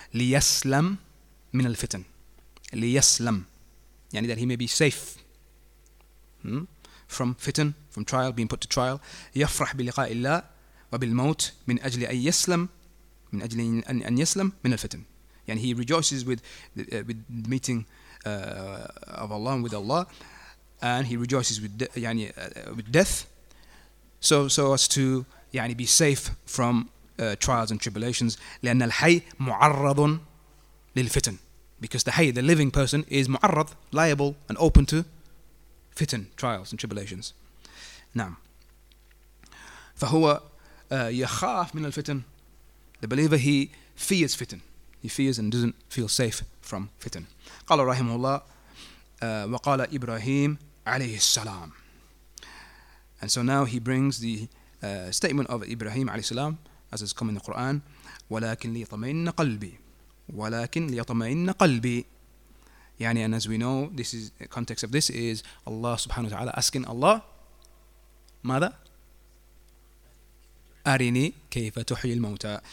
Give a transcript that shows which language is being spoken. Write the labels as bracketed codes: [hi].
[ar] ليسلم من الفتن. ليسلم, يعني [en] that he may be safe. From fitan, from trial, being put to trial. [ar] يفرح بلقاء الله وبالموت من أجل أن يسلم, من أجل أن يسلم من الفتن. [en] يعني, he rejoices with the meeting of Allah and with Allah, and he rejoices with يعني with death, so as to يعني be safe from trials and tribulations. [ar] لأن الحي معرض للفتن, [en] because the حي, the living person, is معرض, liable and open to fitan, trials and tribulations. نعم. [ar] فهو يخاف من الفتن. [en] The believer, he fears fitan. He fears and doesn't feel safe from fitan. [ar] قال رحمه الله وقال إبراهيم عليه السلام. [en] And so now he brings the statement of Ibrahim عليه السلام, as has come in the Quran. [ar] ولكن ليطمئن قلبي. ولكن ليطمئن قلبي. [en] يعني, and as we know, this is the context of this is Allah subhanahu wa ta'ala asking Allah, [ar] ماذا؟ أرني كيف تحي الموتى.